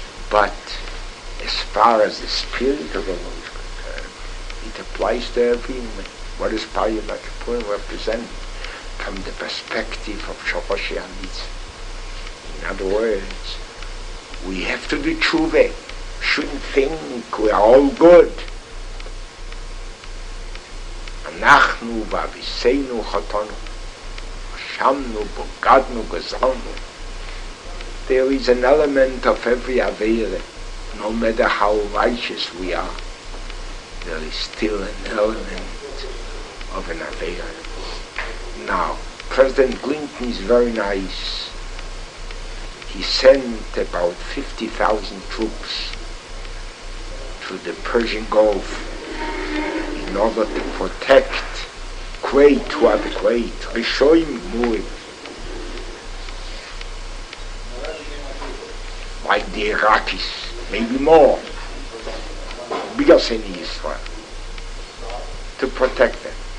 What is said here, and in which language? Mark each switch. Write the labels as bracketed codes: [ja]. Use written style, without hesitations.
[en] But as far as the spirit of the law is concerned, it applies to everyone. What does Parim HaKippurim represent from the perspective of Shoroshi HaMitz? In other words, we have to do tshuva. Shouldn't think we are all good. [he] אנחנו ואביסינו חתנו, אשמנו, בוגדנו, גזלנו. [en] There is an element of every avera, no matter how righteous we are, there is still an element of an avera. Now, President Clinton is very nice. He sent about 50,000 troops to the Persian Gulf in order to protect Kuwait, who are the Kuwait, Rishoyim Gmurim, like the Iraqis, maybe more, bigger than Israel, to protect them.